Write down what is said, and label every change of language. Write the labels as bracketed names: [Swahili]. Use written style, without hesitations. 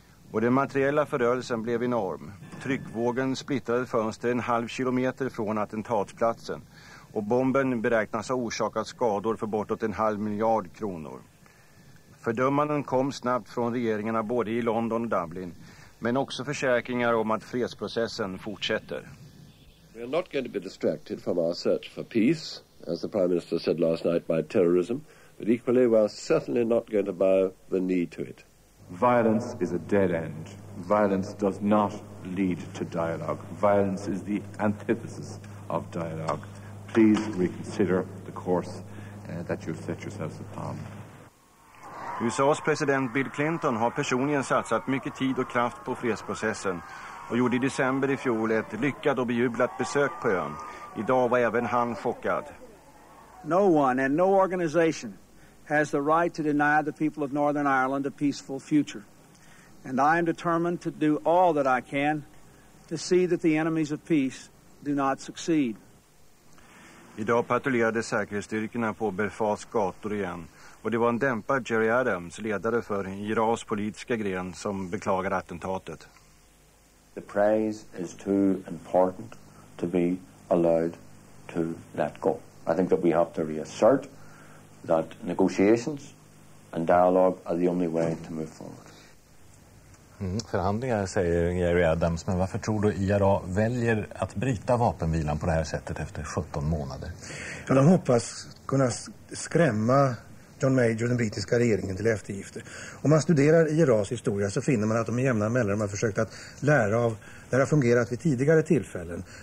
[Swedish] Och den materiella förödelsen blev enorm. Tryckvågen splittrade fönster en halv kilometer från attentatsplatsen och bomben beräknas ha orsakat skador för bortåt en halv miljard kronor. Fördömanden kom snabbt från regeringarna både i London och Dublin, men också försäkringar om att fredsprocessen fortsätter. [English] We are not going to be distracted from our search for peace, as the Prime Minister said last night, by terrorism, but equally we are certainly not going to bow the knee to it. Violence is a dead end. Violence does not lead to dialogue. Violence is the antithesis of dialogue. Please reconsider the course that you've set yourselves upon. [Swedish] USA:s president Bill Clinton har personligen satsat mycket tid och kraft på fredsprocessen och gjorde i december i fjol ett lyckat och bejublat besök på ön. Idag var även han chockad. [English] No one and no organization has the right to deny the people of Northern Ireland a peaceful future. And I am determined to do all that I can to see that the enemies of peace do not succeed. [Swedish] Idag patrullerade säkerhetsstyrkorna på Belfast gator igen. Och det var en dämpad Gerry Adams, ledare för IRAs politiska gren, som beklagade attentatet. [English] The praise is too important to be allowed to let go. I think that we have to reassert that negotiations and dialogue are the only way to move forward. [Swedish] Förhandlingar, säger Gerry Adams, men varför tror du IRA väljer att bryta vapenvilan på det här sättet efter 17 månader? Ja, de hoppas kunna skrämma John Major och den brittiska regeringen till eftergifter. Om man studerar IRAs historia så finner man att de i jämna mellanrum har försökt att lära av det har fungerat vid tidigare tillfällen.